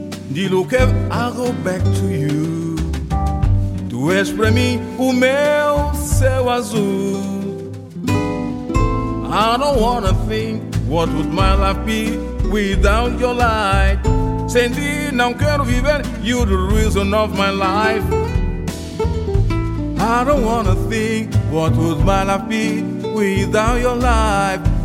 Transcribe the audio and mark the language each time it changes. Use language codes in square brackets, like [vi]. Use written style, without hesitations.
[en] Dilo que I'll go back to you. [pt] Tu és para mim o meu céu azul. [en] I don't wanna think what would my life be without your light. [pt] Sem ti não quero viver, [en] you're the reason of my life. I don't wanna think what would my life be without your life.